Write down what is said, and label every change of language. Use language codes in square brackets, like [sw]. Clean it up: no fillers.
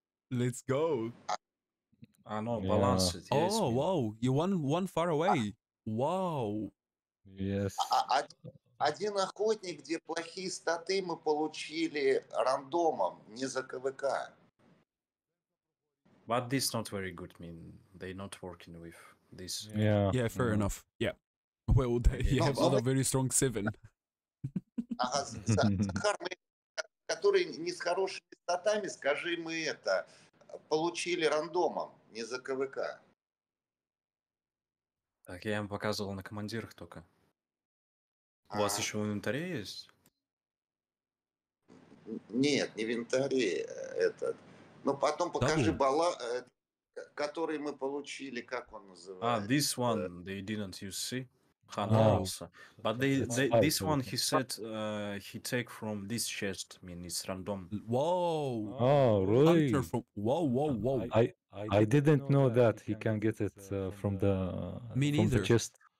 [en] Let's go. I know, balance it. Yes, oh, wow. You won one far away. Wow. Yes. [ru] Один охотник, где плохие статы, мы получили рандомом, не за КВК. [en] But this not very good, I mean, they're not working with this. Yeah, yeah, fair enough. Yeah. Well, they have other very strong 7. [ru] Сахар, который не с хорошими статами, скажи мы это, получили рандомом, не за КВК. Так, я им показывал на командирах только. У вас еще в инвентаре есть? Нет, не в инвентаре этот. Но потом покажи который мы получили, как он называется? [en] Ah, this one they didn't use. Hunter also. But this one he said he take from this chest. I mean, it's random. Whoa! Oh, really? Hunter from whoa! I didn't know that he can get it from the me from neither. The chest.